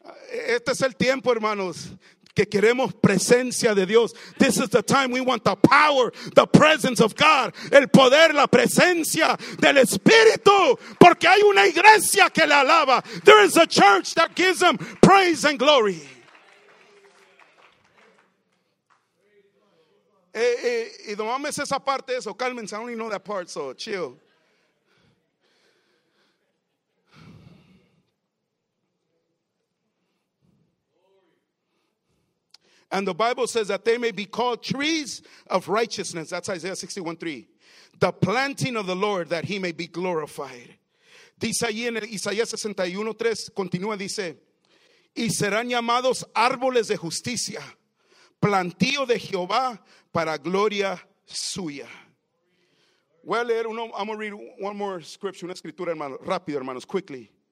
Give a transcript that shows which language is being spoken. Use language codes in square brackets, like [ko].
[es] Este es el tiempo, hermanos, que queremos presencia de Dios. [en] This is the time we want the power, the presence of God. [es] El poder, la presencia del Espíritu. Porque hay una iglesia que le alaba. [en] There is a church that gives them praise and glory. [es] Y tomamos esa parte de eso. Cálmense, [en] I only know that part, so chill. And the Bible says that they may be called trees of righteousness. That's Isaiah 61:3. The planting of the Lord, that he may be glorified. [es] Dice ahí en Isaías 61:3, continúa, dice, y serán llamados árboles de justicia, plantío de Jehová para gloria suya. Voy a leer uno, [en] I'm going to read one more scripture, [es] una escritura, hermano, rápido, hermanos, [en] quickly.